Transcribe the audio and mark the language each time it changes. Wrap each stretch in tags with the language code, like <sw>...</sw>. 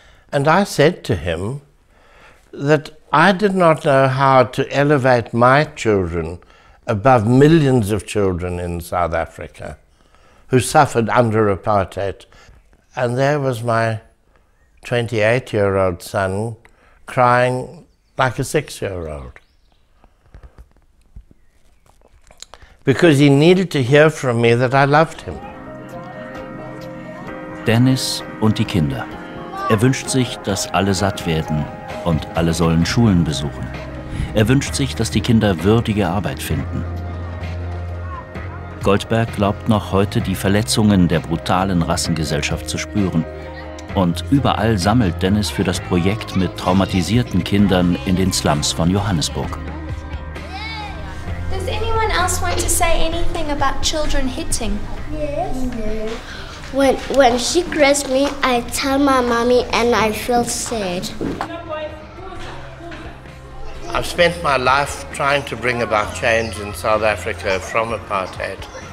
<en>And I said to him that I did not know how to elevate my children above millions of children in South Africa who suffered under apartheid. And there was my 28-year-old son crying like a 6-year-old. because he needed to hear from me that I loved him.</en> <de>Dennis und die Kinder. Er wünscht sich, dass alle satt werden und alle sollen Schulen besuchen. Er wünscht sich, dass die Kinder würdige Arbeit finden. Goldberg glaubt noch heute, die Verletzungen der brutalen Rassengesellschaft zu spüren. Und überall sammelt Dennis für das Projekt mit traumatisierten Kindern in den Slums von Johannesburg.</de> <en>Does anyone else want to say anything about children hitting? Yes. When she grabs me, I tell my mommy and I feel sad. I've spent my life trying to bring about change in South Africa from apartheid.</en>